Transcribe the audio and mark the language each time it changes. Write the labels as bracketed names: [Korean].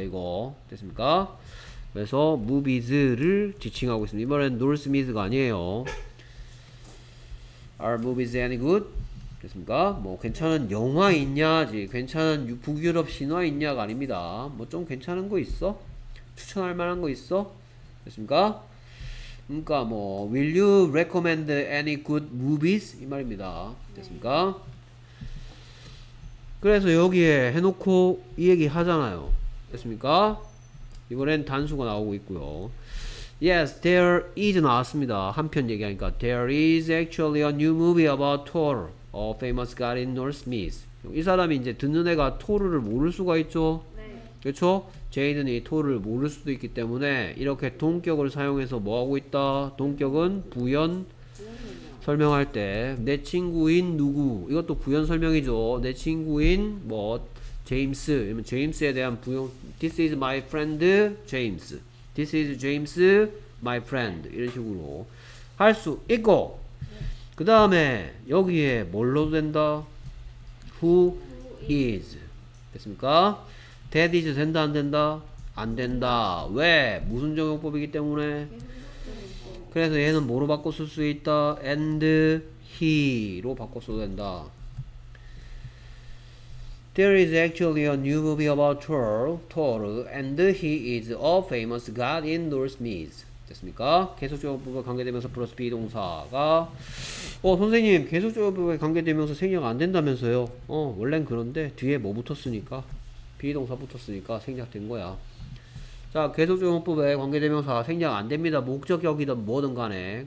[Korean] 이거 됐습니까? 그래서 무비즈를 지칭하고 있습니다. 이번엔 노스미즈가 아니에요. [English] Are movies any good? [Korean] 됐습니까? 뭐 괜찮은 영화 있냐지 괜찮은 북유럽 신화 있냐가 아닙니다. 뭐 좀 괜찮은 거 있어? 추천할 만한 거 있어? 됐습니까? 그러니까 뭐 [English] Will you recommend any good movies? [Korean] 이 말입니다. 됐습니까? 그래서 여기에 해놓고 이 얘기 하잖아요. 됐습니까? 이번엔 단수가 나오고 있고요. [English] Yes, there is [Korean] 나왔습니다. 한편 얘기하니까 [English] There is actually a new movie about Thor, a famous guy in North Smith. [Korean] 이 사람이 이제 듣는 애가 토르를 모를 수가 있죠? 네. 그렇죠? 제이든 이 토르를 모를 수도 있기 때문에 이렇게 동격을 사용해서 뭐하고 있다? 동격은 부연 설명할 때 내 친구인 누구 이것도 부연 설명이죠. 내 친구인 뭐 제임스 이러면 제임스에 대한 부연 [English] This is my friend James. This is James my friend [Korean] 이런 식으로 할 수 있고 그 다음에 여기에 뭘로 된다? Who is 됐습니까? That is 된다 안 된다? 안 된다. 왜? 무슨 적용법이기 때문에 그래서 얘는 뭐로 바꿔 쓸 수 있다? and he로 바꿔 써도 된다. [English] There is actually a new movie about Thor, and he is a famous god in North Smith. [Korean] 됐습니까? 계속적 부분과 관계되면서 플러스 be 동사가 선생님 계속적 부분과 관계되면서 생략 안 된다면서요? 원래는 그런데 뒤에 뭐 붙었으니까 be 동사 붙었으니까 생략된 거야. 자, 계속적용법에 관계대명사 생략 안 됩니다. 목적격이든 뭐든 간에.